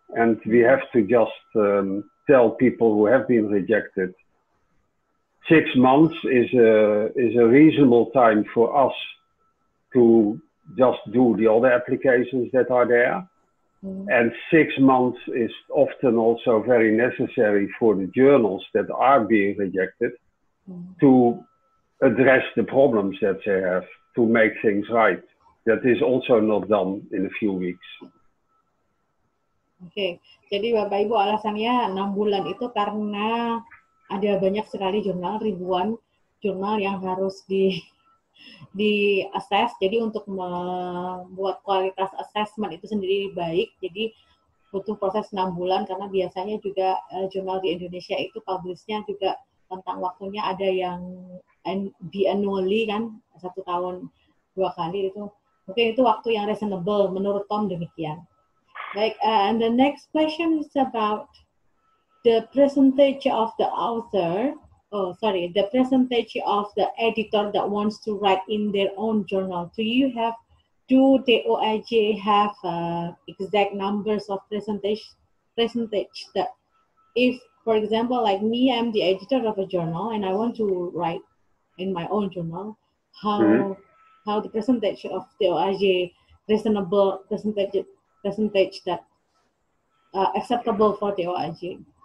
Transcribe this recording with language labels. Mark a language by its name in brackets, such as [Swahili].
[English] And we have to just tell people who have been rejected, 6 months is a reasonable time for us to just do the other applications that are there. Mm-hmm. And 6 months is often also very necessary for the journals that are being rejected mm-hmm. to address the problems that they have, to make things right. That is also not done in a few weeks. [Indonesian] Okay, jadi Bapak Ibu alasannya 6 bulan itu karena ada banyak sekali jurnal, ribuan jurnal yang harus di-assess. Jadi untuk membuat kualitas assessment itu sendiri baik, jadi butuh proses 6 bulan karena biasanya juga jurnal di Indonesia itu publish-nya juga tentang waktunya ada yang biannually kan, 1 tahun 2 kali itu. Mungkin itu waktu yang reasonable menurut Tom demikian. [English] Like, and the next question is about the percentage of the author, the percentage of the editor that wants to write in their own journal. Do the OIJ have exact numbers of percentage that if, for example, like me, I'm the editor of a journal and I want to write in my own journal, how the percentage of the OIJ reasonable percentage that acceptable for the OIJ?